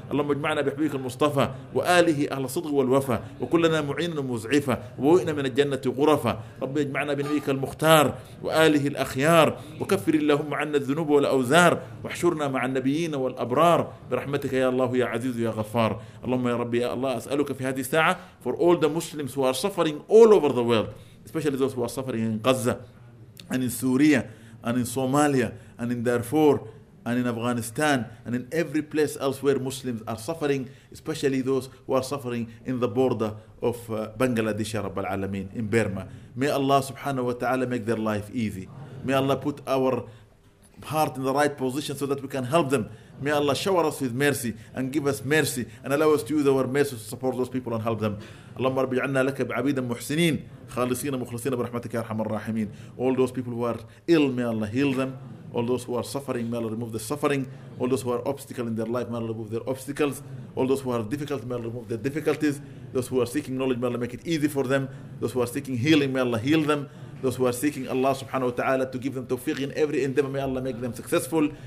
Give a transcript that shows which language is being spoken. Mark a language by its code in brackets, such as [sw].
[ar] اللهم اجمعنا بحبيبك المصطفى وآله أهل صدق والوفا وكلنا معين ومزعفة ووئنا من الجنة غرفة. رب اجمعنا بنبيك المختار وآله الأخيار وكفر اللهم عنا الذنوب والأوزار واحشرنا مع النبيين والأبرار برحمتك يا الله يا عزيز يا غفار. اللهم يا ربي يا الله أسألك في هذه الساعة [en] for all the Muslims who are suffering all over the world, especially those who are suffering in Gaza and in Syria and in Somalia and in Darfur and in Afghanistan and in every place else where Muslims are suffering, especially those who are suffering in the border of Bangladesh, [ar] رب العالمين, [en] in Burma. May Allah subhanahu wa ta'ala make their life easy. May Allah put our heart in the right position so that we can help them. May Allah shower us with mercy and give us mercy and allow us to use our mercy to support those people and help them. [ar] اللهم رب اجعلنا لك بعبيدا محسنين خالصين مخلصين برحمتك يا ارحم الراحمين. [en] All those people who are ill, may Allah heal them. All those who are suffering, may Allah remove the suffering. All those who are obstacle in their life, may Allah remove their obstacles. All those who are difficult, may Allah remove their difficulties. Those who are seeking knowledge, may Allah make it easy for them. Those who are seeking healing, may Allah heal them. Those who are seeking Allah subhanahu wa ta'ala to give them tawfiq in every endeavor, may Allah make them successful.